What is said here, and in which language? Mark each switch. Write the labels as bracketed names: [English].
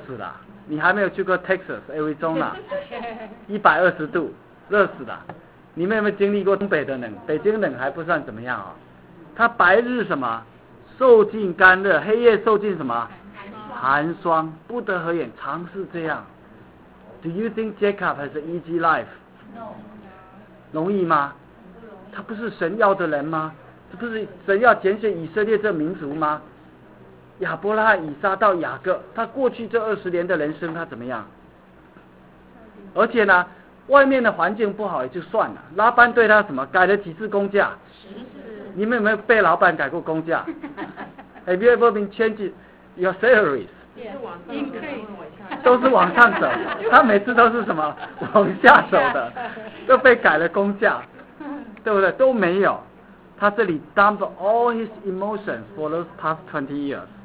[Chinese] 死了！你还没有去过 Texas Arizona， 120度。热死的，你们有没有经历过东北的冷？北京冷还不算怎么样啊、哦，他白日什么受尽干热，黑夜受尽什么寒霜，不得合眼，常是这样。 [English] Do you think Jacob has an easy life? No. [Chinese] 容易吗？他不是神要的人吗？这不是神要拣选以色列这民族吗？亚伯拉罕、以撒到雅各，他过去这二十年的人生他怎么样？而且呢？外面的环境不好也就算了，拉班对他什么改了几次工价？ 10次。你们有没有被老板改过工价？ [English] Have you ever been changed your salaries? Increase [Chinese] 都是往上走，他每次都是什么往下走的，都被改了工价，对不对？都没有。他这里 [English] dump all his emotions for those past 20 years。